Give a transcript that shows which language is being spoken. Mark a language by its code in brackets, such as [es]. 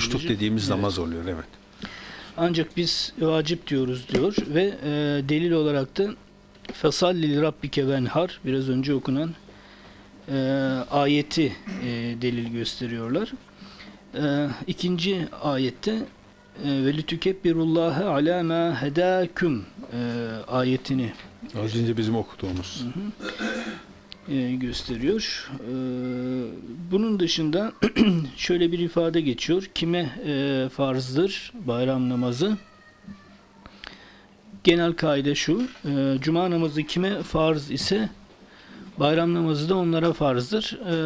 [tr] Duha bizim kuşluk dediğimiz evet. Namaz oluyor, evet. Ancak biz vacip diyoruz diyor ve delil olarak da [ar] فَصَلِّ لِرَبِّكَ وَنْهَرْ [tr] biraz önce okunan ayeti delil gösteriyorlar. İkinci ayette [ar] وَلِتُكَبِّرُ اللّٰهَ عَلَى مَا هَدَاكُمْ [tr] ayetini az önce bizim okuduğumuz gösteriyor. Bunun dışında şöyle bir ifade geçiyor. Kime farzdır bayram namazı? Genel kaide şu, cuma namazı kime farz ise bayram namazı da onlara farzdır.